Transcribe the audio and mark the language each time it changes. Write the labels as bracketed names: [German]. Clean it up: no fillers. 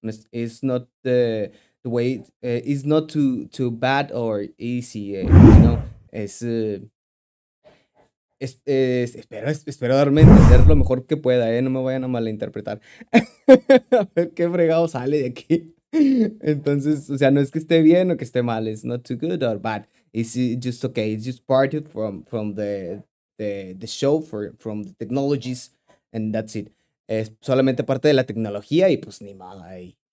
[English] It's not the way it's not too bad or easy, you know. [Spanish] Espero darme a entender lo mejor que pueda, no me vayan a malinterpretar. A ver qué fregado sale de aquí. Entonces, o sea, no es que esté bien o que esté mal, [English] it's not too good or bad. It's just okay. It's just part of from the show from the technologies and that's it. [Spanish] Es solamente parte de la tecnología y pues ni mal ahí.